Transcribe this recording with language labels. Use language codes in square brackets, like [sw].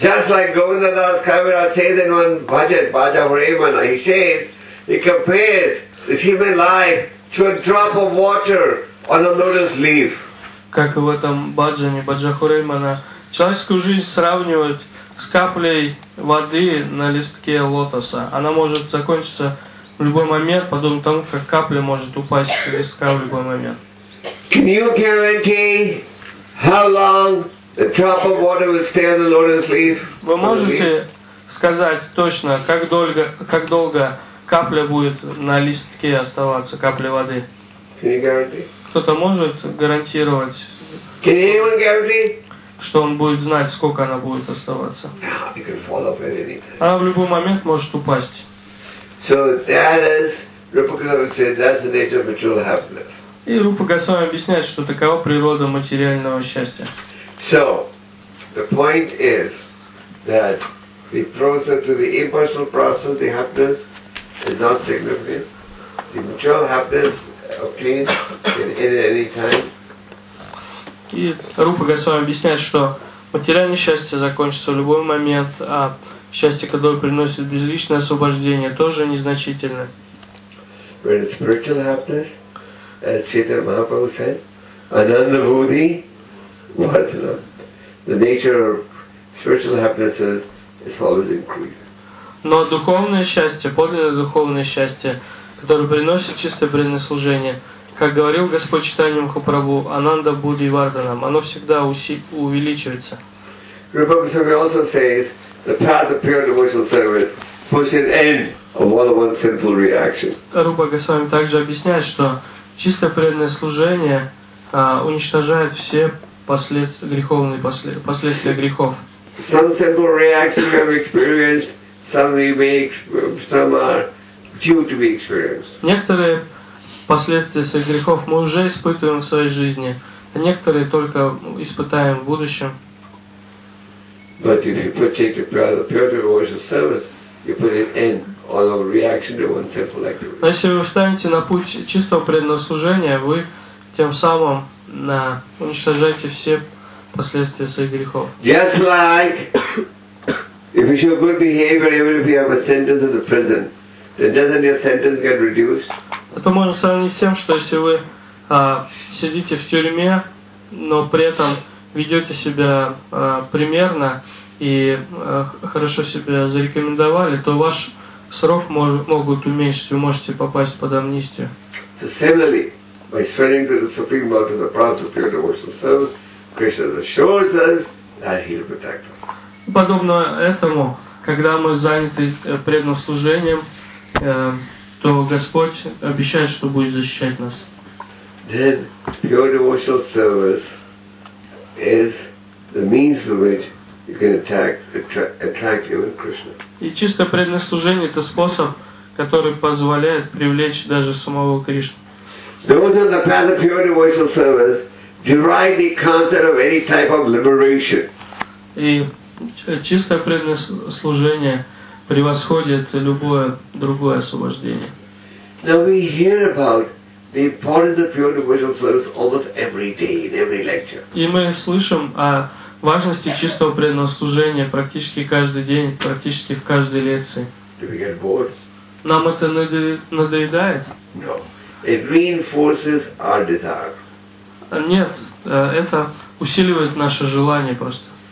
[en] Just like Govinda Das Kaviraj says in one bhajan, Bhaja Vrimana, he says, he compares his human life to a drop of water on a lotus leaf. [ru] Как в этом бхаджане Бхаджа Хуреймана, человеческую жизнь сравнивают с каплей воды на листке лотоса. Она может закончиться в любой момент, подобно тому, как капля может упасть с листка в любой момент. [en] Can you guarantee how long the drop of water will stay on the lotus leaf? [ru] Вы можете сказать точно, как долго капля будет на листке оставаться, капля воды? [en] Can you guarantee? [ru] Кто-то может гарантировать? [en] Can anyone guarantee? [ru] Что он будет знать, сколько она будет оставаться? [en] It can fall off at any time. [ru] Она в любой момент может упасть. [en] So that is, Rupa Goswami said, that's the nature of material happiness. [ru] И Рупа Госвами объясняет, что такова природа материального счастья. [en] So, the point is that the process to the impersonal process, the happiness, is not significant. The material happiness obtained can end at any time. [ru] И Рупа Госвами объясняет, что материальное счастье закончится в любой момент, а счастье, которое приносит безличное освобождение, тоже незначительно. [en] When it's spiritual happiness, as Chaitanya Mahaprabhu said, Ananda Bhuti Vartana. The nature of spiritual happiness is always increasing. [ru] Но духовное счастье, подлинное духовное счастье, которое приносит чистое преданное служение, как говорил Господь Чайтанья Махапрабху, Ананда Бхуди Вардана, оно всегда увеличивается. [en] Rupa Goswami also says, the path of pure devotional service puts an end of all of one's sinful reaction. [ru] Rupa Goswami также объясняет, что чистое преданное служение уничтожает все последствия грехов. [en] Some sinful reactions we have experienced, some are due to be experienced. [ru] Некоторые последствия своих грехов мы уже испытываем в своей жизни, а некоторые только испытаем в будущем. [en] But if you put it to pure devotional service, you put an end on all reaction to one sinful activity. [ru] Но если вы встанете на путь чистого преданного служения, вы тем самым уничтожаете все последствия своих грехов. [en] Just like if you show good behavior, even if you have a sentence in the prison, then doesn't your sentence get reduced? [ru] Это можно сравнить с тем, что если вы сидите в тюрьме, но при этом ведете себя примерно и хорошо себя зарекомендовали, то ваш срок могут уменьшить, вы можете попасть под амнистию. [en] So similarly, by surrendering to the Supreme Lord in the process of pure devotional service, Krishna assures us that He'll protect us. [ru] Подобно этому, когда мы заняты преданным служением, то Господь обещает, что будет защищать нас. [en] Then pure devotional service is the means through which you can attract even Krishna. [ru] И чистое преданное служение – это способ, который позволяет привлечь даже самого Кришну. [en] Those on the path of pure devotional service deride the concept of any type of liberation. [ru] И чистое преданное служение превосходит любое другое освобождение. [en] Now we hear about the importance of pure devotional service almost every day in every lecture. [ru] И мы слышим о важности чистого преданного служения практически каждый день, практически в каждой лекции. [en] Do we get bored? [ru] Нам это надоедает? [en] No. It reinforces our desire. [ru] Нет, это усиливает наше желание просто.